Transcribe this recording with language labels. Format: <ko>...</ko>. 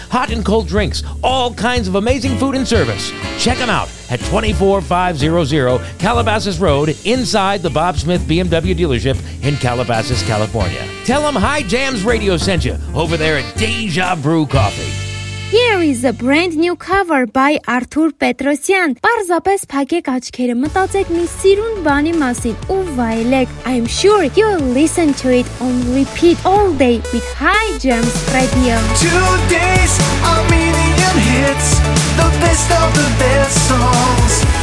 <en>Hot and cold drinks, all kinds of amazing food and service. Check them out at 24500 Calabasas Road inside the Bob Smith BMW dealership in Calabasas, California. Tell them High Jams Radio sent you over there at Deja Brew Coffee. Here is a brand new cover by Artur Petrosyan.</en> <hy>Պարզապես փակեք աչքերը, մտածեք մի սիրուն բանի մասին ու վայելեք.</hy> <en>I'm sure you'll listen to it on repeat all day with High Gems Radio. Today's Armenian hits, the best of the best songs.</en>